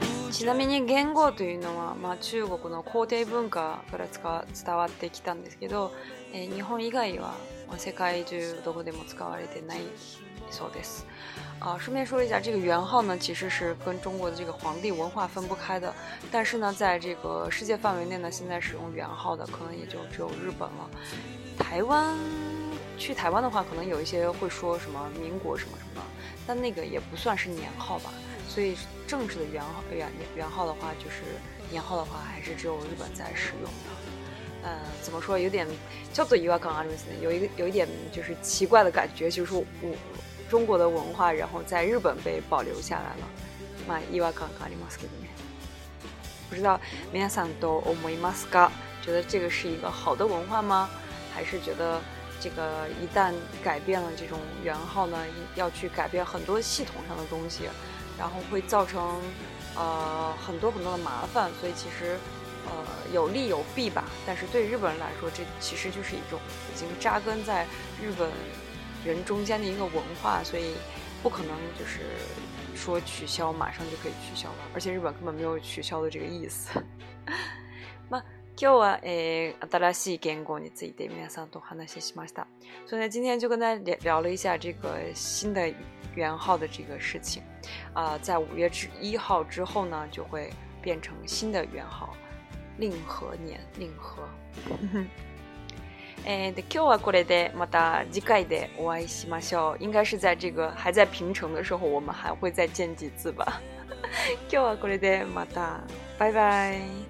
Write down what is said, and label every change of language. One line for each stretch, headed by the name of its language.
Japanese: ちなみに言語というのは、まあ中国の皇帝文化から伝わってきたんですけど、日本以外は世界中どこでも使われてないそうです。
Chinese: 啊，顺便说一下，这个元号呢，其实是跟中国的这个皇帝文化分不开的。但是呢，在这个世界范围内呢，现在使用元号的可能也就只有日本了。台湾，去台湾的话，可能有一些会说什么民国什么什么，但那个也不算是年号吧。所以正式的元号的话，就是年号的话，还是只有日本在使用的。怎么说，有点叫做
Japanese: 違和感ありますね，
Chinese: 有一点就是奇怪的感觉，就是我。中国的文化然后在日本被保留下来了。
Japanese: まあ、違和感がありますけどね。
Chinese: 不知道
Japanese: 皆さんどう思いますか？
Chinese: 觉得这个是一个好的文化吗？还是觉得这个一旦改变了这种元号呢，要去改变很多系统上的东西，然后会造成很多很多的麻烦，所以其实有利有弊吧。但是对日本人来说，这其实就是一种已经扎根在日本人中间的一个文化，所以不可能就是说取消马上就可以取消了，而且日本根本没有取消的这个意思。
Japanese: まあ、今日は、新しい言語について皆さんとお話ししました。
Chinese: 所以呢，今天就跟大家聊了一下这个新的元号的这个事情。在5月1号之后呢，就会变成新的元号，令和年，令和。
Japanese: で今日はこれでまた次回でお会いしましょう。
Chinese: 应该是在这个还在平成的时候，我们还会再见几次吧。
Japanese: 今日はこれでまた、バイバイ。